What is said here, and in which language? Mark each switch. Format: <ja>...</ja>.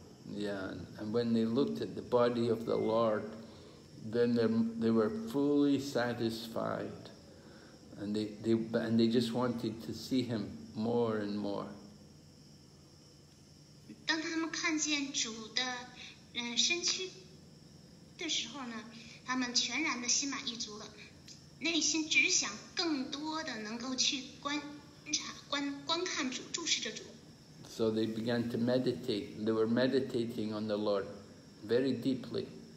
<en>Yeah, and when they looked at the body of the Lord, then they were fully satisfied, and they just wanted to see him more and more.</en> <zh>当他们看见主的身躯的时候呢，他们全然的心满意足了，内心只想更多的能够去观察、观看主，注视着主。</zh> <en>So they began to meditate. They were meditating on the Lord very deeply.</en>